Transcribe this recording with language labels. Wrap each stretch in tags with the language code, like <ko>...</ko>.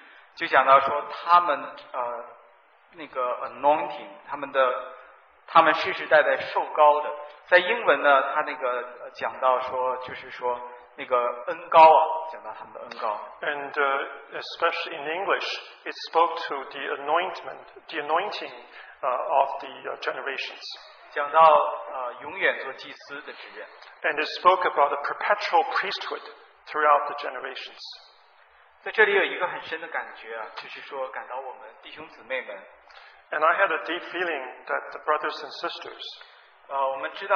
<zh>这有当时读到的时候呢，特别感动呢，就是当时读到的这个，我读当时读英文，就讲到说他们那个 anointing， 他们世世代代受膏的，在英文呢，他那个讲到说就是说那个恩膏啊，讲到他们的恩膏。</zh> <en>And especially in English, it spoke to the anointment, the anointing of the generations.</en> <zh>讲到 永远做祭司的职任。</zh> <en>And it spoke about a perpetual priesthood throughout the generations.</en> <zh>在这里有一个很深的感觉啊，就是说感到我们弟兄姊妹们。</zh> <en>And I had a deep feeling that the brothers and sisters.</en>